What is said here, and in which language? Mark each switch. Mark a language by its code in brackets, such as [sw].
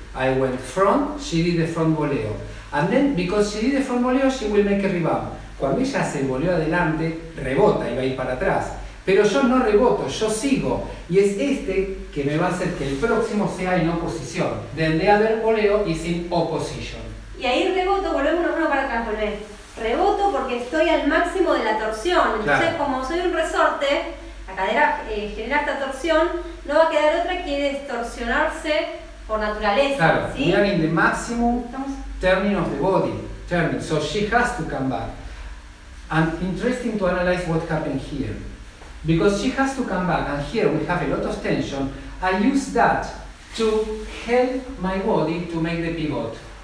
[en] I went front, she did the front voleo. And then, because she did the front voleo, she will make a rebound. [es] Cuando ella hace el voleo adelante, rebota y va a ir para atrás. Pero yo no reboto, yo sigo. Y es este que me va a hacer que el próximo sea en oposición. [en] Then the other voleo is in opposition. [es] Y ahí reboto, volvemos uno para atrás, volvé. Reboto porque estoy al máximo de la torsión. Entonces, claro. Como soy un resorte, la cadera genera esta torsión, no va a quedar otra que distorsionarse. Por naturaleza, claro, ¿sí? [en] We are in the maximum turning of the body, turning, so she has to come back. And interesting to analyze what happened here. Because she has to come back, and here we have a lot of tension, I use that to help my body to make the pivot.